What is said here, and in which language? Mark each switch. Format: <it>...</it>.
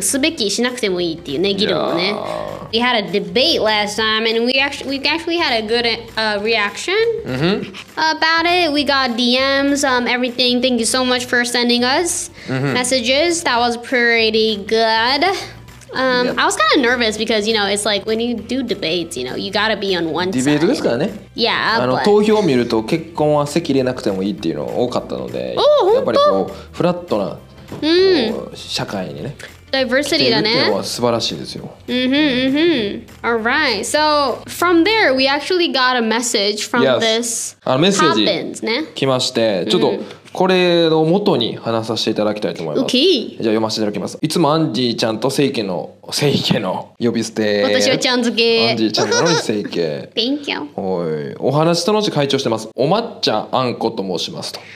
<ja>すべきしなくてもいいっていうね、議論をね。</ja> <en>We had a debate last time, and we actually had a good reaction、about it. We got DMs, everything. Thank you so much for sending us、messages. That was pretty good. I was kind of nervous because, you know, it's like when you do debates, you know, you gotta be on one</en> <ja>side. Debate ですからね。</ja> <en>Yeah,</en> <ja>あの、投票を見ると結婚は席入れなくてもいいっていうの多かったので、やっぱりこう、フラットな、社会にね。 Diversity だね。っていうのは素晴らしいですよ。</ja> <en>All right. So, from there, we actually got a message from this happens,</en> <ja>ね。メッセージ来まして、ちょっと、これを元に話させていただきたいと思います。</ja> <en>Okay.</en> <ja>じゃあ読ませていただきます。いつもアンジーちゃんとセイケの、セイケの呼び捨て。私はちゃん付け。アンジーちゃんなのにセイケ。</ja> <en>Thank you.</en> <ja>はい。お話楽しく会長してます。お抹茶あんこと申しますと。</ja>